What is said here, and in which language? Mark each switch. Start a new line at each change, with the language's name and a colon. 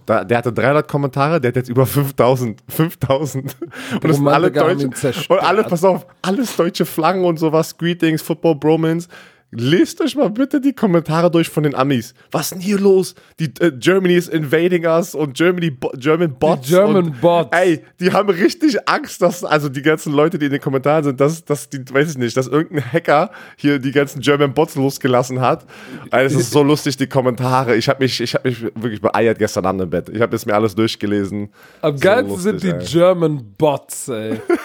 German: Der hatte 300 Kommentare, der hat jetzt über 5000. Und es sind alle Deutsche. Und alle, pass auf, alles deutsche Flaggen und sowas,
English: Greetings, Football Bromans.
German: Lest euch mal bitte die Kommentare durch von den Amis. Was ist denn hier los?
English: Germany is invading us
German: und
English: German Bots.
German: Ey, die haben richtig Angst, dass, also die ganzen Leute, die in den Kommentaren sind, dass die, weiß ich nicht, dass irgendein Hacker hier die ganzen German Bots losgelassen hat. Es ist so lustig, die Kommentare. Ich hab mich wirklich beeiert gestern Abend im Bett. Ich habe jetzt mir alles durchgelesen. Am geilsten so sind die German Bots, ey.